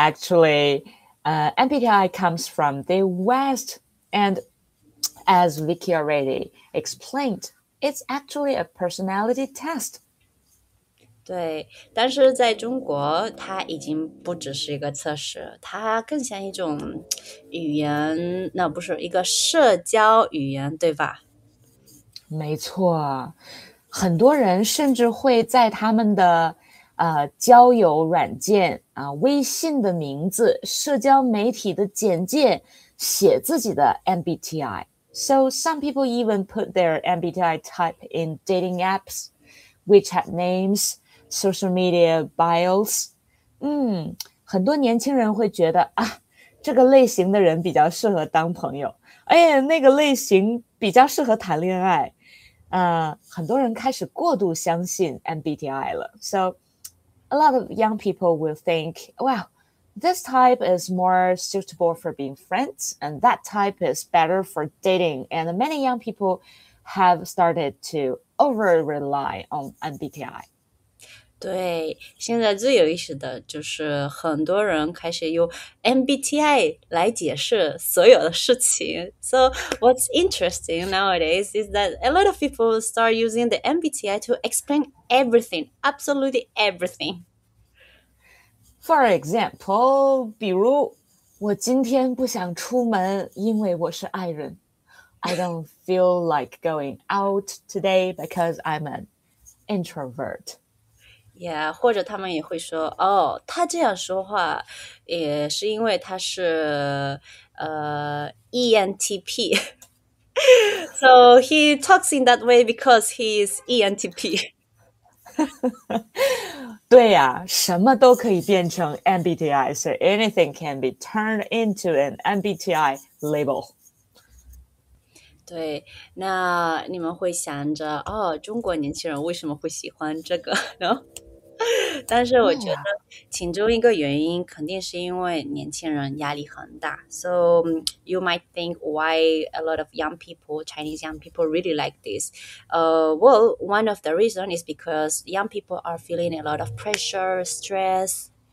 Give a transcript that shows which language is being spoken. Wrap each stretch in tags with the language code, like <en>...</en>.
<en>MBTI comes from the West, and as Vicky already explained. It's actually a personality test.</en> <zh>对，但是在中国，它已经不只是一个测试，它更像一种语言，那不是一个社交语言，对吧？没错，很多人甚至会在他们的交友软件啊、微信的名字、社交媒体的简介写自己的 MBTI。</zh> <en>So some people even put their MBTI type in dating apps, WeChat names, social media bios.</en> <zh>很多年轻人会觉得啊，这个类型的人比较适合当朋友。哎，那个类型比较适合谈恋爱。很多人开始过度相信 MBTI 了。</zh> <en>So a lot of young people will think, wow. This type is more suitable for being friends, and that type is better for dating. And many young people have started to over-rely on MBTI.</en> <zh>对，现在最有意思的就是很多人开始用 MBTI 来解释所有的事情。</zh> <en>So what's interesting nowadays is that a lot of people start using the MBTI to explain everything, absolutely everything. For example,</en> <zh>比如我今天不想出门，因为我是爱人。</zh> <en>I don't feel like going out today because I'm an introvert.</en> <zh>Yeah, 或者他们也会说，哦，他这样说话也是因为他是ENTP.</zh> <en>So he talks in that way because he's ENTP.</en> <zh>对呀、啊，什么都可以变成 MBTI,</zh> <en>so anything can be turned into an MBTI label.</en> <zh>对，那你们会想着，哦，中国年轻人为什么会喜欢这个呢？但是我觉得其中一个原因肯定是因为年轻人压力很大。</zh> <en>So you might think why a lot of young people, Chinese young people really like this. Well, one of the reason is because young people are feeling a lot of pressure, stress.</en>